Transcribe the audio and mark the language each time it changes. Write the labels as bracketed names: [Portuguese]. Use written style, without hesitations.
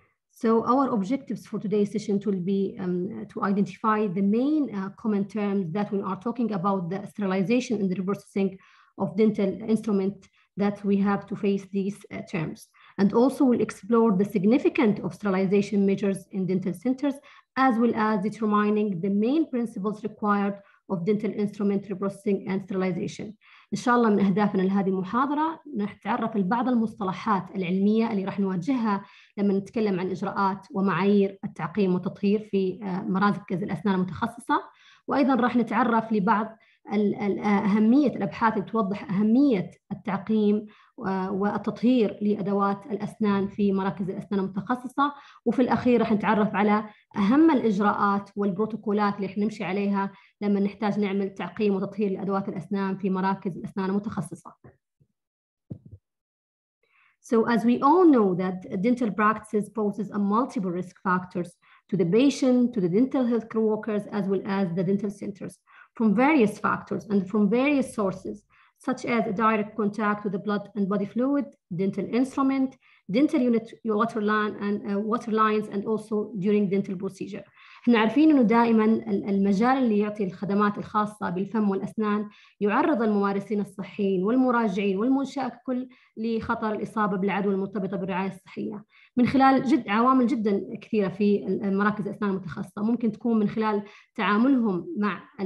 [English] So our objectives for today's session will be to identify the main common terms that we are talking about the sterilization and the reprocessing of dental instrument that we have to face these terms. And also we'll explore the significance of sterilization measures in dental centers, as well as determining the main principles required of dental instrument reprocessing and sterilization. [Arabic] إن شاء الله من أهدافنا لهذه المحاضرة نتعرف البعض المصطلحات العلمية اللي راح نواجهها لما نتكلم عن إجراءات ومعايير التعقيم والتطهير في مراكز الأسنان المتخصصة، وأيضا راح نتعرف لبعض أهمية الأبحاث اللي توضح أهمية التعقيم والتطهير لأدوات الأسنان في مراكز الأسنان المتخصصة، وفي الأخير راح نتعرف على أهم الإجراءات والبروتوكولات اللي نمشي عليها لما نحتاج نعمل تعقيم وتطهير لأدوات الأسنان في مراكز الأسنان المتخصصة. [English] So as we all know that dental practices poses a multiple risk factors to the patient, to the dental health care workers, as well as the dental centers. From various factors and from various sources, such as a direct contact with the blood and body fluid, dental instrument, dental unit water line and water lines, and also during dental procedure. [Arabic] احنا عارفين انه دائما المجال اللي يعطي الخدمات الخاصه بالفم والاسنان يعرض الممارسين الصحيين والمراجعين والمنشاه ككل لخطر الاصابه بالعدوى المرتبطه بالرعايه الصحيه من خلال عوامل جدا كثيره في مراكز الاسنان المتخصصه، ممكن تكون من خلال تعاملهم مع